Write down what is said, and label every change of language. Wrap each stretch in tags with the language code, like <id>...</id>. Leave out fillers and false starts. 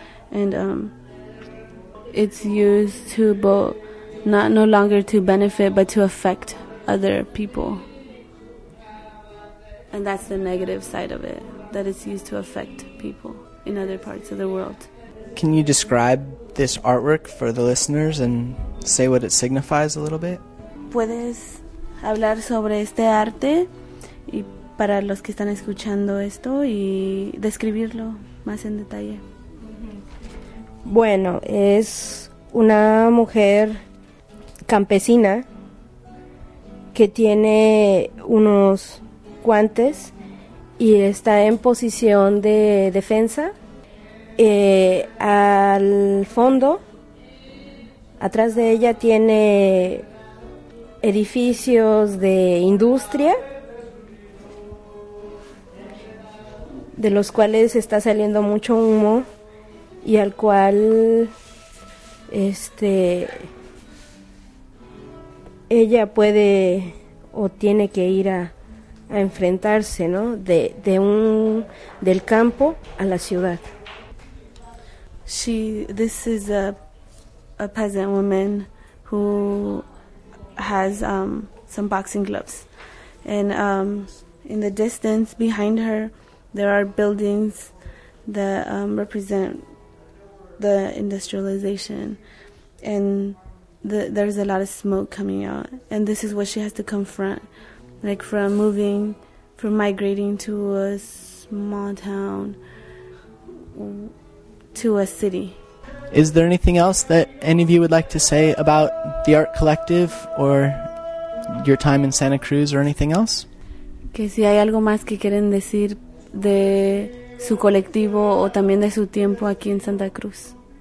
<en>And it's used to both, not no longer to benefit, but to affect other people. And that's the negative side of it, that it's used to affect people in other parts of the world. Can you describe this artwork for the listeners and say what it signifies a little bit?</en> <es>Puedes hablar sobre este arte y para los que están escuchando esto y describirlo más en detalle. Bueno, es una mujer campesina que tiene unos guantes y está en posición de defensa. Al fondo, atrás de ella, tiene edificios de industria, de los cuales está saliendo mucho humo. Y al cual ella puede o tiene que ir a enfrentarse, ¿no? Del campo a la ciudad.</es> <en>This is a peasant woman who has some boxing gloves, and in the distance behind her there are buildings that represent the industrialization, and there's a lot of smoke coming out, and this is what she has to confront, like from migrating to a small town to a city. Is there anything else that any of you would like to say about the Art Collective or your time in Santa Cruz or anything else?</en> <es>Que si hay algo más que quieren decir de su colectivo o también de su tiempo aquí en Santa Cruz.</es>